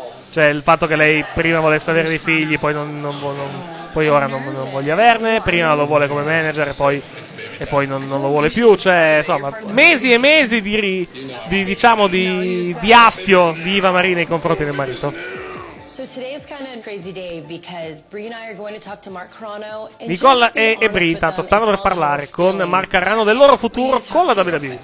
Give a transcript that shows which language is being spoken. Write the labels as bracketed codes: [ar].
[it] Cioè il fatto che lei prima volesse avere dei figli, poi non voglia averne, prima lo vuole come manager e poi non lo vuole più. Cioè, insomma, mesi e mesi di astio di Eva Marie nei confronti del marito. [en] So today is kind of a crazy day because Brie and I are going to talk to Mark Carano. [it] Nicole e Brie tanto stanno per parlare con Mark Carano del loro futuro con la WWE.